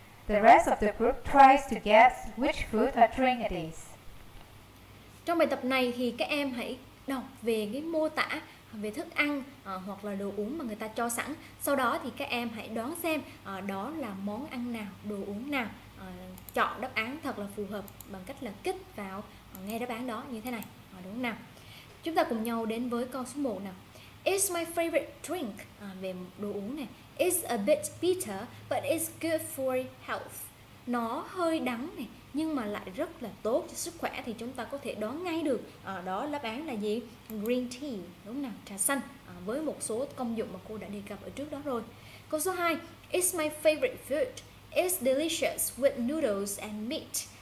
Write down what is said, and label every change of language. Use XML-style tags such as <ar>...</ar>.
<en>The rest of the group tries to guess which food or drink it is.</en> <vi>Trong bài tập này thì các em hãy đọc về cái mô tả về thức ăn hoặc là đồ uống mà người ta cho sẵn. Sau đó thì các em hãy đoán xem đó là món ăn nào, đồ uống nào. Chọn đáp án thật là phù hợp bằng cách là kích vào nghe đáp án đó như thế này. Đúng nào? Chúng ta cùng nhau đến với câu số 1 nào.</vi> <en>It's my favorite drink.</en> <vi>Về đồ uống này.</vi> <en>It's a bit bitter, but it's good for health.</en> <vi>Nó hơi đắng này, nhưng mà lại rất là tốt cho sức khỏe. Thì chúng ta có thể đoán ngay được đó đáp án là gì? Green tea. Đúng nào? Trà xanh. Với một số công dụng mà cô đã đề cập ở trước đó rồi. Câu số 2.</vi> <en>It's my favorite food. It's delicious with noodles and meat.</en>